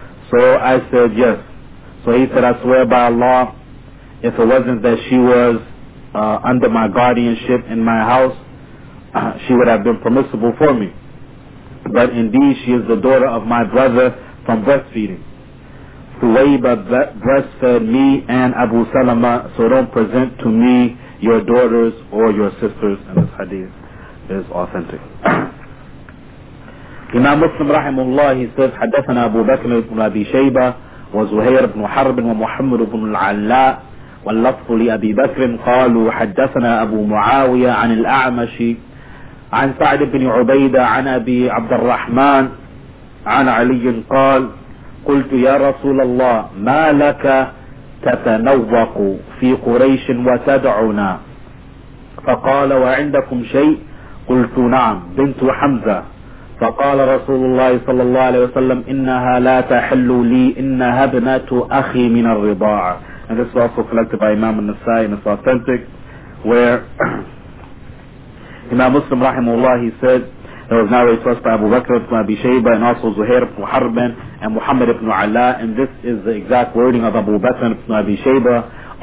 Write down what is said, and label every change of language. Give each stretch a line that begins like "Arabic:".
English: So I said, yes. So he said, I swear by Allah, if it wasn't that she was under my guardianship in my house, she would have been permissible for me. But indeed, she is the daughter of my brother from breastfeeding. Thuwayba breastfed me and Abu Salama, so don't present to me your daughters or your sisters. And this hadith is authentic. Imam Muslim rahimullah, he says,
Arabic: حَدَّثَنَا أَبُو بَكْرٍ بْنُ أَبِي شَيْبَةٍ وزهير بن حرب ومحمد بن العلاء واللفظ لأبي بكر قالوا حدثنا أبو معاوية عن الأعمش عن سعد بن عبيدة عن أبي عبد الرحمن عن علي قال قلت يا رسول الله ما لك تتنوق في قريش وتدعنا فقال وعندكم شيء قلت نعم بنت حمزة فقال رسول الله صلى الله عليه وسلم إنها لا تحل لي إنها ابنة أخي من الرضاعة.
English: And this was also collected by Imam al-Nasai, and it's authentic, where Imam Muslim rahimahullah, he said, there was narrated to us by Abu Bakr ibn Abi Shayba and also Zuhair ibn Harb and Muhammad ibn Ala, and this is the exact wording of Abu Bakr ibn Abi Shayba.